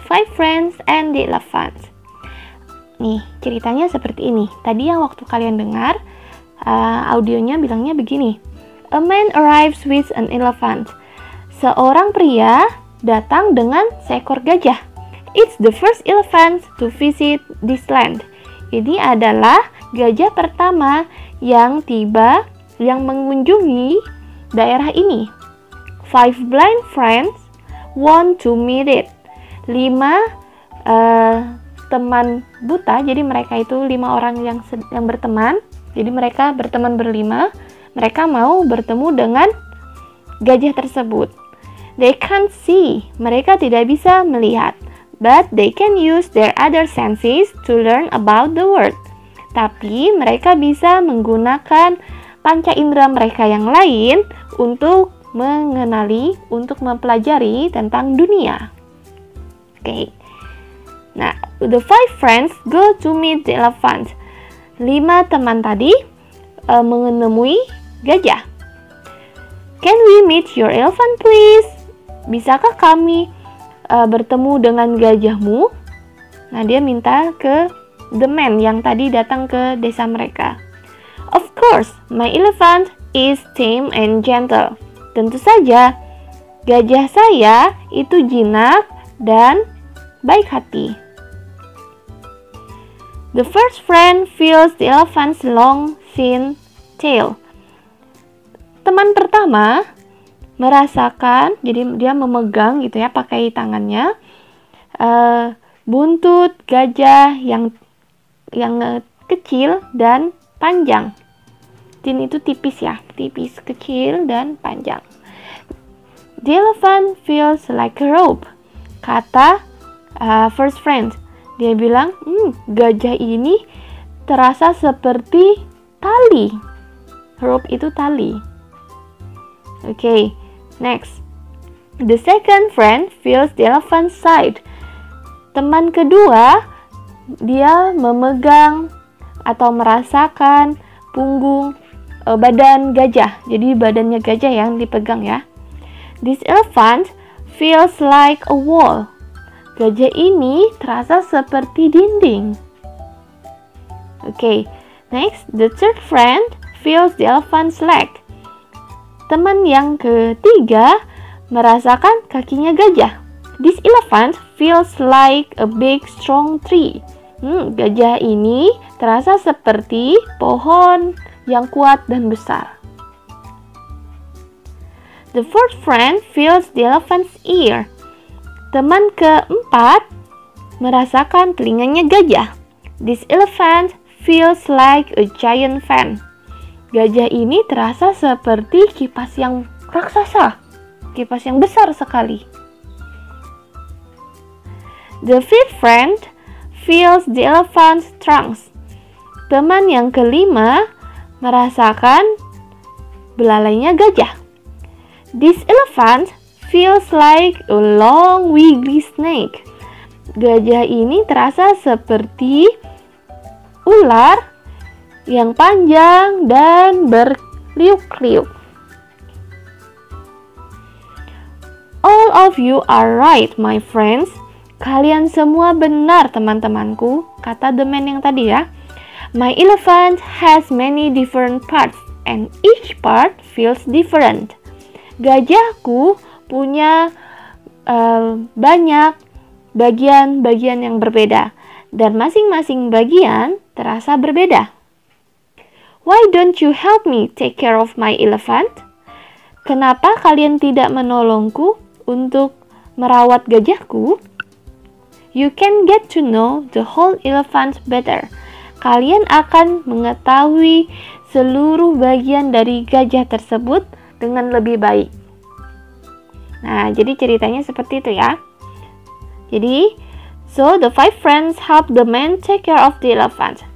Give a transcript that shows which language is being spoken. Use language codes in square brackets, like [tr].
[id] Five Friends and the Elephant. Nih, ceritanya seperti ini. Tadi yang waktu kalian dengar, audionya bilangnya begini. [en] A man arrives with an elephant. [id] Seorang pria datang dengan seekor gajah. [en] It's the first elephant to visit this land. [id] Ini adalah gajah pertama yang tiba, yang mengunjungi daerah ini. [en] Five blind friends want to meet it. [id] Lima teman buta, jadi mereka itu lima orang yang berteman. Jadi mereka berteman berlima. Mereka mau bertemu dengan gajah tersebut. [en] They can't see. [id] Mereka tidak bisa melihat. [en] But they can use their other senses to learn about the world. [id] Tapi mereka bisa menggunakan panca indera mereka yang lain untuk mengenali, untuk mempelajari tentang dunia. Oke. [en] Nah, the five friends go to meet the elephant. [id] Lima teman tadi menemui gajah. [en] Can we meet your elephant, please? [id] Bisakah kami bertemu dengan gajahmu? Nah, dia minta ke the man yang tadi datang ke desa mereka. [en] Of course, my elephant is tame and gentle. [id] Tentu saja, gajah saya itu jinak dan baik hati. [en] The first friend feels the elephant's long, thin tail. [id] Teman pertama merasakan, jadi dia memegang gitu ya, pakai tangannya, buntut gajah yang kecil dan panjang. Tin itu tipis ya, tipis, kecil dan panjang. [en] The elephant feels like a rope, kata first friend. [id] Dia bilang, gajah ini terasa seperti tali. Rope itu tali. [en] Oke, next. The second friend feels the elephant's side. [id] Teman kedua, dia memegang atau merasakan punggung badan gajah. Jadi badannya gajah yang dipegang ya. [en] This elephant feels like a wall. [id] Gajah ini terasa seperti dinding. Oke, next. [en] The third friend feels the elephant's leg. [id] Teman yang ketiga merasakan kakinya gajah. [en] This elephant feels like a big strong tree. [id] Gajah ini terasa seperti pohon yang kuat dan besar. [en] The fourth friend feels the elephant's ear. [id] Teman keempat merasakan telinganya gajah. [en] This elephant feels like a giant fan. [id] Gajah ini terasa seperti kipas yang raksasa. Kipas yang besar sekali. [en] The fifth friend feels the elephant's trunks. [id] Teman yang kelima merasakan belalainya gajah. [en] This elephant feels like a long wiggly snake. [id] Gajah ini terasa seperti ular yang panjang dan berliuk-liuk. [en] All of you are right, my friends. [id] Kalian semua benar, teman-temanku, kata the man yang tadi ya. [en] My elephant has many different parts and each part feels different. [id] Gajahku punya banyak bagian-bagian yang berbeda dan masing-masing bagian terasa berbeda. [en] Why don't you help me take care of my elephant? [id] Kenapa kalian tidak menolongku untuk merawat gajahku? [en] You can get to know the whole elephant better. [id] Kalian akan mengetahui seluruh bagian dari gajah tersebut dengan lebih baik. Nah, jadi ceritanya seperti itu ya. [en] Jadi, so the five friends help the man take care of the elephant.